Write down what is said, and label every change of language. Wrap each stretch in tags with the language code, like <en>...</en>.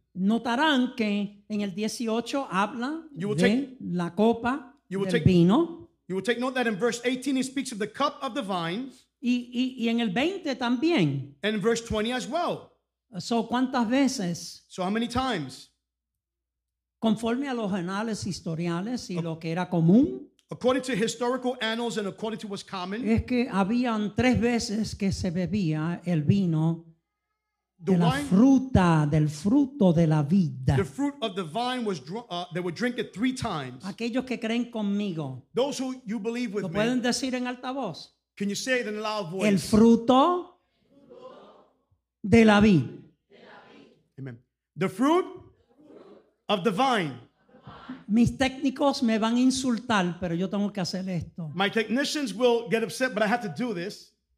<es>notarán que en el 18 habla de la copa del vino.</es> <en>You will take note that in verse 18 he speaks of the cup of the vine.</en> <es>Y en el 20 también.</es> <en>And verse 20 as well.</en> <es>So, ¿cuántas veces?</es> <en>So, how many times?</en> <es>Conforme a los anales historiales y lo que era común.</es> <en>According to historical annals and according to what's common.</en> <es>Es que habían tres veces que se bebía el vino.</es> <en>The</en> <es>de la</es> <en>wine,</en> <es>fruta, del fruto de la vida.</es> <en>The fruit of the vine was they would drink it three times.</en> <es>Aquellos que creen conmigo.</es> <en>Those who you believe with</en> <es>me. Lo pueden</es> <en>me.</en> <es>Decir en alta voz.</es> <en>Can you say it in a loud voice?</en> <es>El fruto de la vid.</es> <en>Amen. The fruit of the vine.</en> <es>Mis técnicos me van a insultar, pero yo tengo que hacer esto.</es> <en>My technicians will get upset, but I have to do this.</en>